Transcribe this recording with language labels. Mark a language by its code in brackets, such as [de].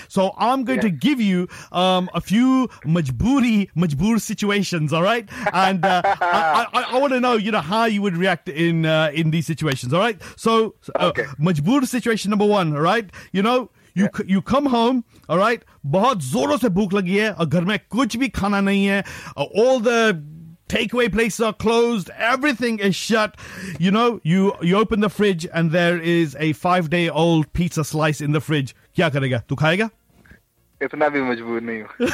[en] So I'm going to give you a few Majboor situations, all right? And I want to know, you know, how you would react in these situations, all right? So Majboor situation number one, all right? You know, you come home, all right? [hi] बहुत जोरों से भूख लगी है और घर में कुछ भी खाना नहीं है. [en] All the takeaway places are closed. Everything is shut. You know, you open the fridge and there is a 5-day-old pizza slice in the fridge. [hi] क्या करेगा? तू खाएगा? इतना भी मजबूर नहीं हूँ.